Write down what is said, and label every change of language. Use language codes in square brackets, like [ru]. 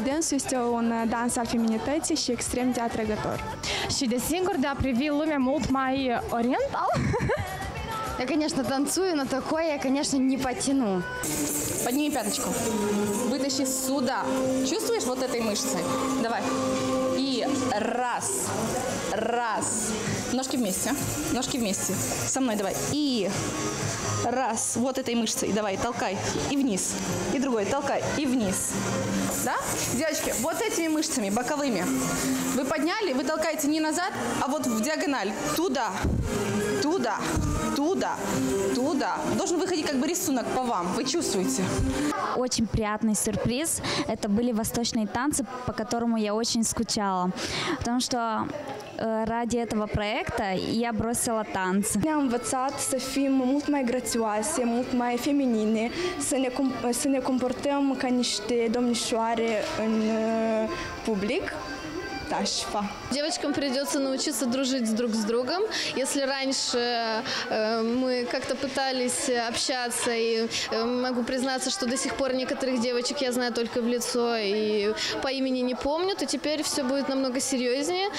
[ro] Este un dans al feminității și extrem de atrăgător. Și desigur de a privi lumea mult mai oriental. [ru] Я, конечно, танцую, но такое я, конечно, не потяну. Подними пяточку. Вытащи сюда. Чувствуешь вот этой мышцей? Давай. И раз. Раз. Ножки вместе. Ножки вместе. Со мной давай. И раз. Вот этой мышцей. Давай, толкай. И вниз. И другой. Толкай. И вниз. Да? Девочки, вот этими мышцами, боковыми. Вы подняли, вы толкаете не назад, а вот в диагональ. Туда. Туда. Туда, туда. Должен выходить как бы рисунок по вам. Вы чувствуете? Очень приятный сюрприз. Это были восточные танцы, по которому я очень скучала. Потому что ради этого проекта я бросила танцы. [ro] Я învățat să fim mult mai grațioase, mult mai feminine, să ne comportăm ca niște domnișoare în public. [ru] Девочкам придется научиться дружить друг с другом. Если раньше мы как-то пытались общаться, и могу признаться, что до сих пор некоторых девочек я знаю только в лицо и по имени не помню, то теперь все будет намного серьезнее.